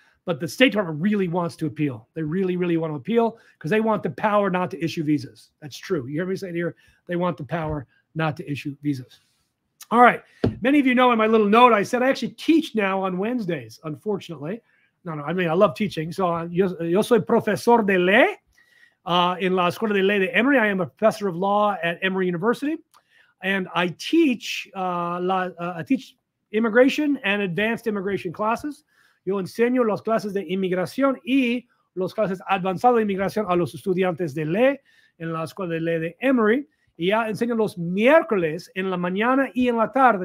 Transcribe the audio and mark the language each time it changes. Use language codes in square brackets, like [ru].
[en] But the State Department really wants to appeal. They really, really want to appeal because they want the power not to issue visas. That's true. You hear me say it here? They want the power not to issue visas. All right. Many of you know in my little note, I said I actually teach now on Wednesdays, unfortunately. No, I mean, I love teaching. [es] So yo soy profesor de ley in la Escuela de Ley de Emory. [en] I am a professor of law at Emory University. And I teach I teach immigration and advanced immigration classes. [es] Yo enseño las clases de inmigración y las clases avanzadas de inmigración a los estudiantes de ley en la Escuela de Ley de Emory. Y ya enseño los miércoles en la mañana y en la tarde.